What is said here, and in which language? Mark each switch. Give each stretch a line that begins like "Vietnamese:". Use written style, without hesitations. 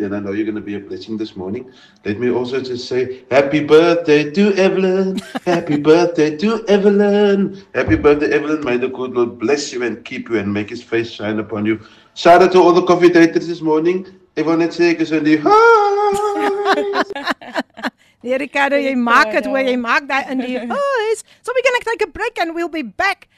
English: And I know you're going to be a blessing this morning. Let me also just say happy birthday to Evelyn. Happy birthday to Evelyn. Happy birthday, Evelyn. May the good Lord bless you and keep you and make his face shine upon you. Shout out to all the Coffee Daters this morning. Everyone, let's say, because when you...
Afrikaans: Nee, Ricardo, jy maak het hoe jy maak daar in die huis.
English: So we're going to take a break and we'll be back.